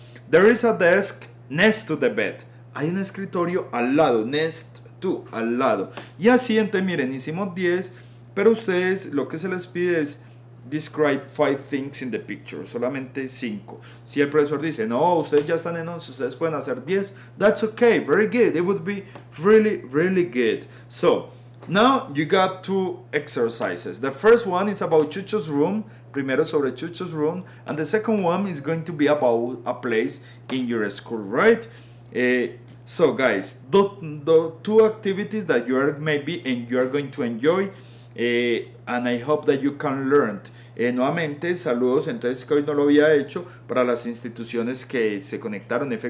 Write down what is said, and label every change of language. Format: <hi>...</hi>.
<en>There is a desk next to the bed.</en> <es>Hay un escritorio al lado, next to, al lado. Y así, entonces, miren, hicimos 10, pero ustedes lo que se les pide es</es> <en>describe 5 things in the picture,</en> <es>solamente 5. Si el profesor dice, no, ustedes ya están en 11, ustedes pueden hacer 10,</es> <en>that's okay, very good, it would be really, really good. So, now you got 2 exercises. The first one is about Chucho's room,</en> <es>primero sobre</es> <en>Chucho's room, and the second one is going to be about a place in your school, right? So guys, the 2 activities that you are maybe and you are going to enjoy. And I hope that you can learn.</en> <es>Nuevamente, saludos. Entonces, que hoy no lo había hecho para las instituciones que se conectaron: F.</es>